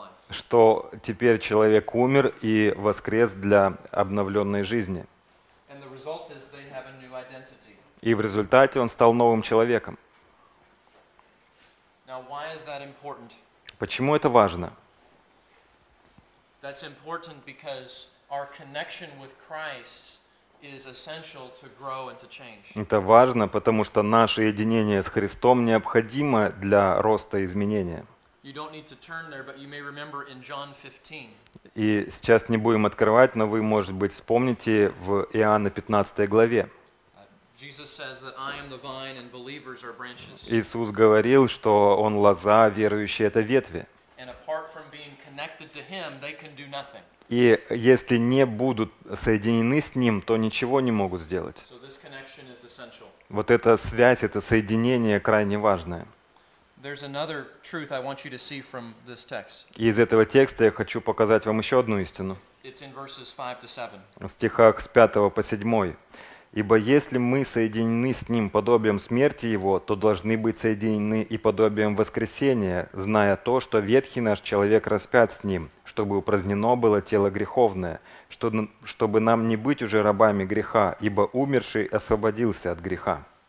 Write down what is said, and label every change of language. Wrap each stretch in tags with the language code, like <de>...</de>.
<ru>Что теперь человек умер и воскрес для обновленной жизни.</ru> <en>And the result is they have a new identity.</en> <ru>И в результате он стал новым человеком.</ru> <en>Now, why is that important?</en> <ru>Почему это важно?</ru> <en>That's important because our connection with Christ is essential to grow and to change.</en> <ru>Это важно, потому что наше единение с Христом необходимо для роста и изменения.</ru> <en>You don't need to turn there, but you may remember in John 15.</en> <ru>И сейчас не будем открывать, но вы, может быть, вспомните в Иоанна 15 главе.</ru> <en>Jesus says that I am the vine and believers are branches.</en> <ru>Иисус говорил, что он лоза, верующие это ветви.</ru> <en>And apart from being connected to him, they can do nothing.</en> <ru>И если не будут соединены с Ним, то ничего не могут сделать.</ru> <en>So</en> <ru>вот эта связь, это соединение крайне важное.</ru> <en>There's another truth I want you to see from this text.</en> <ru>И из этого текста я хочу показать вам еще одну истину.</ru> <en>It's in verses 5 to 7.</en> <ru>В стихах с 5 по 7. «Ибо если мы соединены с Ним подобием смерти Его, то должны быть соединены и подобием воскресения, зная то, что ветхий наш человек распят с Ним, чтобы упразднено было тело греховное, чтобы нам не быть уже рабами греха, ибо умерший освободился от греха».</ru>